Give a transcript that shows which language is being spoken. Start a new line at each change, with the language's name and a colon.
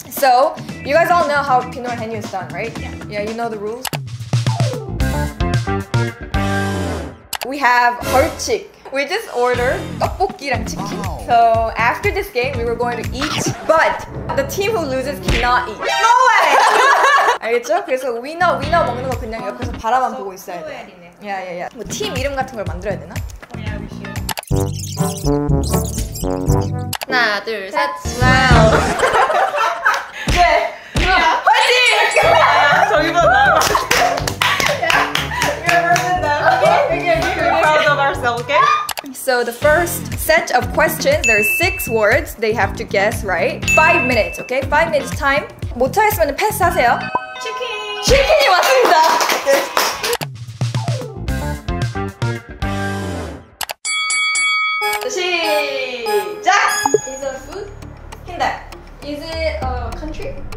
English: So you guys all know how Pinoy Henyo is done, right? Yeah, you know the rules. We have heart chick. We just ordered
Korean: 떡볶이랑 치킨.
English: Wow. So after this game, we were going to eat, but the team who loses cannot eat. No way!
Korean: 알겠죠? 그래서 위너 먹는 거 그냥 옆에서 바라만 보고 있어야 돼. 야. 뭐 팀 이름 같은 걸 만들어야 되나? 하나, 둘, 셋, 와우. 왜? 누나, 화이팅! 저기 봐, 나.
English: We are running them. Okay. Proud of ourselves, okay? So the first set of questions, there are 6 words they have to guess, right? 5 minutes, okay? 5 minutes time.
Korean: 못하겠으면 패스하세요. 치킨! 치킨이 왔습니다!
English: Is it a food?
Filipino: Hindi.
English: Is it a country?